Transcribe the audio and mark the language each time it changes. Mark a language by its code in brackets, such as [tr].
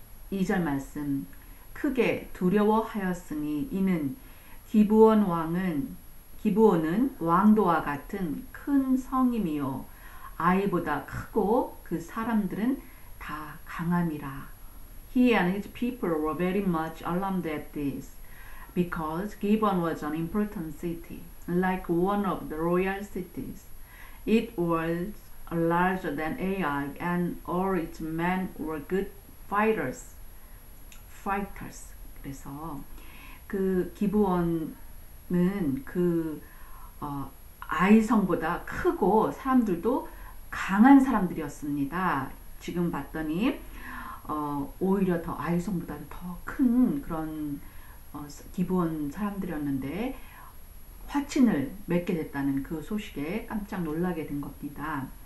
[ko] 2절 말씀 크게 두려워하였으니 이는 기브온은 왕도와 같은 큰 성임이요 아이보다 크고 그 사람들은 다 강함이라. [en] He and his people were very much alarmed at this, because Gibeon was an important city, like one of the royal cities. It was larger than Ai, and all its men were good fighters. Fighters. [ko] 그래서 그 기브온 는 그 아이성보다 크고 사람들도 강한 사람들이었습니다. 지금 봤더니 오히려 더 아이성보다 더 큰 그런 기브온 사람들이었는데 화친을 맺게 됐다는 그 소식에 깜짝 놀라게 된 겁니다.